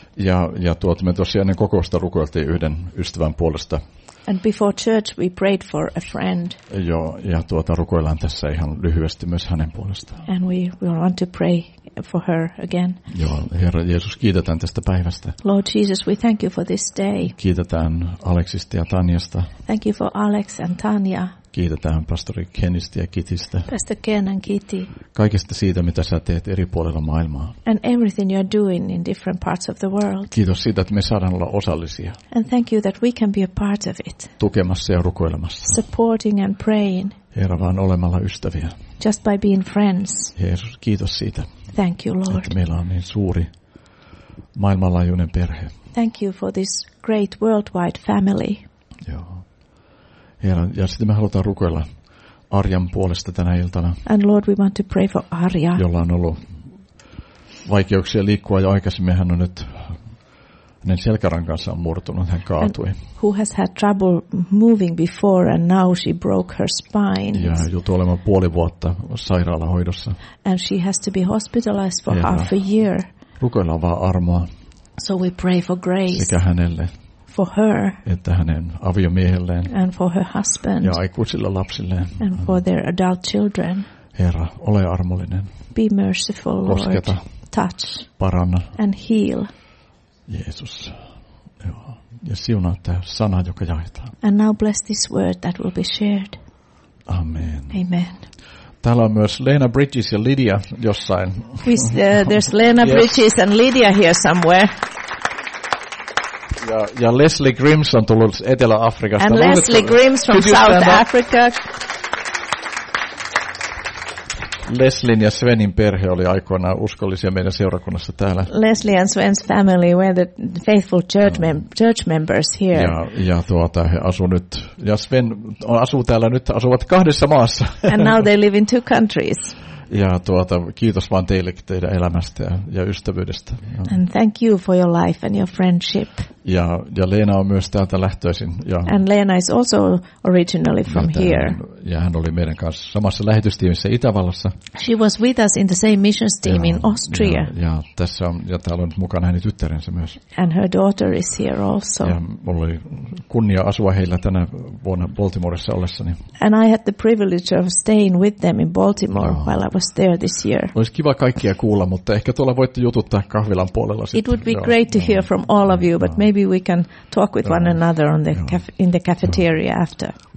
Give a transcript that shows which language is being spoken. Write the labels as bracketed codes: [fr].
[fi] Ja me tosiaan ennen kokousta rukoiltiin yhden ystävän puolesta. [en] And before church we prayed for a friend. [fi] Joo, ja rukoillaan tässä ihan lyhyesti myös hänen puolestaan. [en] And we want to pray for her again. [fi] Joo, Herra Jeesus, kiitetään tästä päivästä. [en] Lord Jesus, we thank you for this day. [fi] Kiitetään Aleksista ja Tanjasta. [en] Thank you for Alex and Tanja. [fi] Kiitetään pastori Kenistä ja Kitistä. [en] Pastor Ken and Kitty. [fi] Kaikesta siitä, mitä sä teet eri puolilla maailmaa. [en] And everything you're doing in different parts of the world. [fi] Kiitos siitä, että me saadaan olla osallisia. [en] And thank you that we can be a part of it. [fi] Tukemassa ja rukoilemassa. [en] Supporting and praying. [fi] Herra, vaan olemalla ystäviä. [en] Just by being friends. [fi] Jeesus, kiitos siitä. [en] Thank you, Lord. [fi] Että meillä on niin suuri maailmanlaajuinen perhe. [en] Thank you for this great worldwide family. [fi] Joo. Herra, ja sitten me halutaan rukoilla Arjan puolesta tänä iltana. [en] And Lord, we want to pray for Arja. [fi] Jolla on ollut vaikeuksia liikkua jo aikaisemmin. Hän on nyt, hänen selkärankansa on murtunut, hän kaatui. [en] And who has had trouble moving before and now she broke her spine. [fi] Ja joutui olemaan 1.5 vuotta sairaalahoidossa. [en] And she has to be hospitalized for half a year. [fi] Rukoillaan vaan armoa. [en] So we pray for grace. [fi] Sekä hänelle. [en] For her, [fi] että hänen aviomiehelleen [en] and for her husband, [fi] ja aikuisille lapsilleen [en] and for their adult children. [fi] Herra, ole armollinen. [en] Be merciful, Lord. [fi] Kosketa. [en] Touch. [fi] Paranna. [en] And heal. [fi] Jeesus. Ja siunaa tämä sana, joka jaetaan. [en] And now bless this word that will be shared. [fi] Amen. [en] Amen. [fi] Täällä on myös Lena Bridges ja Lydia jossain. [en] There's Lena Bridges and Lydia here somewhere. [fi] Ja Leslie Grims on tullut Etelä-Afrikasta. [en] And Leslie Grims from South Africa. [fi] Leslin ja Svenin perhe oli aikoinaan uskollisia meidän seurakunnassa täällä. [en] Leslie and Sven's family were the faithful church members here. [fi] Ja he asuu nyt, ja Sven asuu täällä nyt, asuvat 2 maassa. [en] And now they live in 2 countries. [fi] Ja kiitos vaan teille teidän elämästä ja ystävyydestä. [en] And thank you for your life and your friendship. [fi] Ja Leena on myös täältä lähtöisin. Ja, [en] and Leena is also originally from here. [fi] Ja hän oli meidän kanssa samassa lähetystiimissä Itävallassa. [en] She was with us in the same missions team in Austria. [fi] Ja tässä on, ja täällä on mukana hänen tyttärensä myös. [en] And her daughter is here also. [fi] Ja mulla oli kunnia asua heillä tänä vuonna Baltimoressa ollessani. [en] And I had the privilege of staying with them in Baltimore while I was there this year. [fi] Olisi kiva kaikkia kuulla, mutta ehkä tuolla voitte jututtaa kahvilan puolella sitten. [en] It would be great to hear from all of you, but maybe we can talk with one another on the in the cafeteria after.